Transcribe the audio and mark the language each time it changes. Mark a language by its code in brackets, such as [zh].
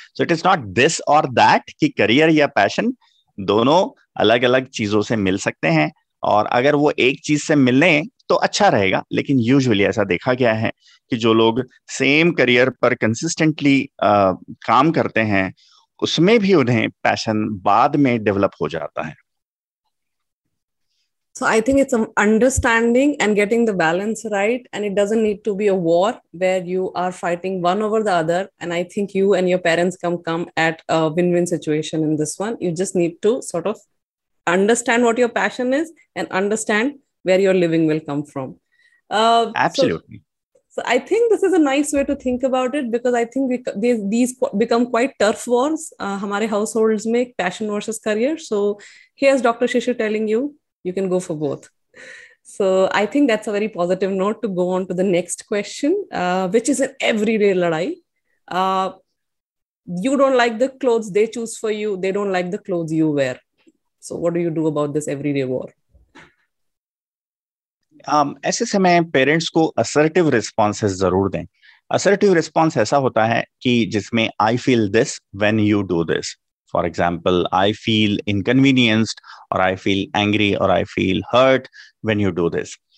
[en] so it is not this और that [hi] कि career या पैशन, दोनों अलग अलग चीजों से मिल सकते हैं, और अगर वो एक चीज से मिलने तो अच्छा रहेगा। लेकिन यूजुअली ऐसा देखा गया है कि जो लोग सेम करियर पर कंसिस्टेंटली काम करते हैं उसमें भी उन्हें पैशन बाद में डेवलप हो जाता है। [en] So I think it's an understanding and getting the balance right. And it doesn't need to be a war where you are fighting one over the other. And I think you and your parents can come at a win-win situation in this one. You just need to sort of understand what your passion is and understand where your living will come from. Absolutely. So I think this is a nice way to think about it, because I think these become quite turf wars. [hi] Hamare households make passion versus career. [en] So here's Dr. Shishir telling you, you can go for both. So I think that's a very positive note to go on to the next question, which is an everyday ladai. You don't like the clothes they choose for you. They don't like the clothes you wear. So what do you do about this everyday war? [hi] ऐसे समय parents को assertive responses जरूर दें. Assertive response ऐसा होता है कि जिसमें [en] I feel this when you do this. For example, I feel inconvenienced और I feel angry और I feel hurt when you do this.